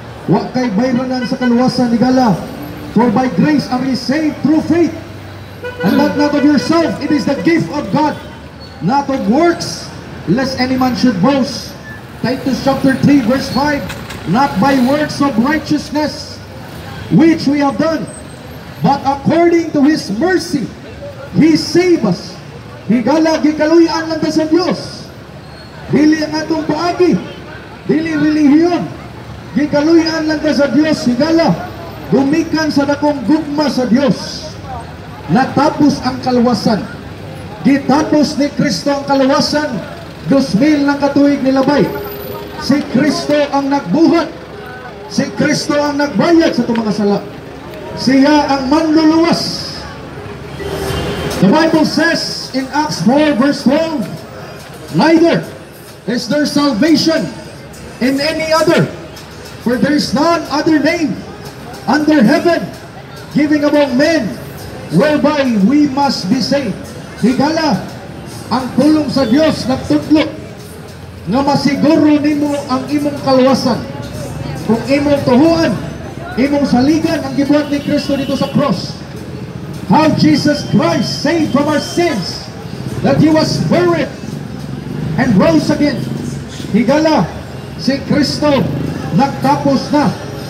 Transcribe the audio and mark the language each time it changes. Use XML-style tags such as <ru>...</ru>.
<ceb>Wa kay bayranan sa kaluwasan, igala.</ceb> <en>For by grace are ye saved through faith. And not of yourself, it is the gift of God, not of works, lest any man should boast. Titus chapter 3 verse 5, not by works of righteousness which we have done, but according to His mercy, He saved us.</en> <ceb>Higala, gikaluyaan lang sa Dios. Dili ang atong paagi, dili relihiyon, gikaluyaan lang sa Dios. Higala, gumikan sa dakong gugma sa Dios. Natapos ang kaluwasan. Gitapos ni Kristo ang kaluwasan 2,000 ng katuig nilabay. Si Kristo ang nagbuhat. Si Kristo ang nagbayad sa itong mga sala. Siya ang manluluwas.</ceb> <en>The Bible says in Acts 4 verse 12, neither is there salvation in any other, for there is none other name under heaven giving among men whereby we must be saved.</en> <ceb>Higala, ang tulong sa Dios nagtudlo nga masiguro nimo ang imong kaluwasan. Kung imong tuhoan, imong saligan ang gibuhat ni Kristo dito sa cross.</ceb> <en>How Jesus Christ saved from our sins, that He was buried and rose again.</en> <ceb>Higala, si Kristo nagtapos na.</ceb>